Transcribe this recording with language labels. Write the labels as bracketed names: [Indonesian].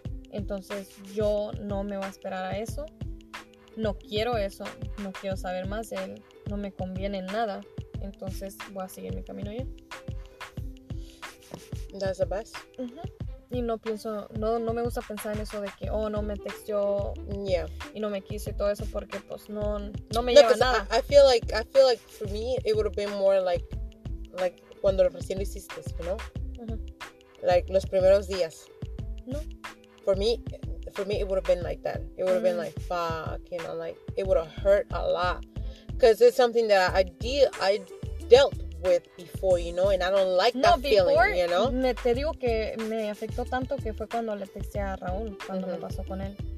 [Spanish] Entonces yo no me voy a esperar a eso. No quiero eso, no quiero saber más de él. No me conviene nada. Entonces voy a seguir mi camino ya. [English] That's the best. Uh-huh. [Spanish] Y no pienso, no me gusta pensar en eso de que, oh, no me texteó, yeah, y no me quiso y todo eso, porque pues no me lleva nada. [English] I feel like for me it would have been more like [Spanish] cuando recién lo hiciste, [English] you know? [Spanish] Uh-huh. Like los primeros días. No. [English] For me it would have been like that. It would have been like, fuck, you know, like it would have hurt a lot, cuz it's something that I dealt with before, you know, and I don't like that feeling, you know. [Spanish] Te digo que me afectó tanto que fue cuando le texté a Raúl, cuando me pasó con él.